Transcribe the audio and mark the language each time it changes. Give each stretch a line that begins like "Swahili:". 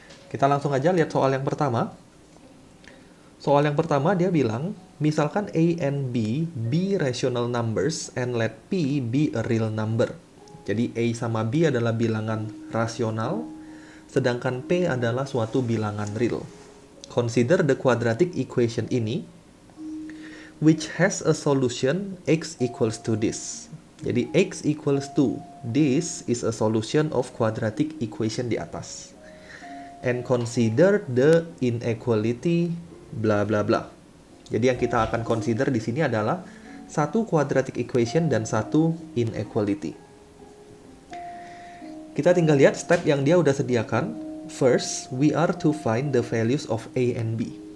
Indonesian: Kita langsung aja lihat soal yang pertama. Soal yang pertama dia bilang, misalkan
English: A and B be rational numbers and let P be a real number.
Indonesian: Jadi A sama B adalah bilangan rasional, sedangkan P adalah suatu bilangan real.
English: Consider the quadratic equation ini, which has a solution x equals to this. Jadi x equals to this is a solution of quadratic equation
Indonesian: di atas.
English: And consider the inequality bla bla bla.
Indonesian: Jadi yang kita akan consider di sini adalah satu quadratic equation dan satu inequality. Kita tinggal lihat step yang dia udah sediakan.
English: First, we are to find the values of A and B.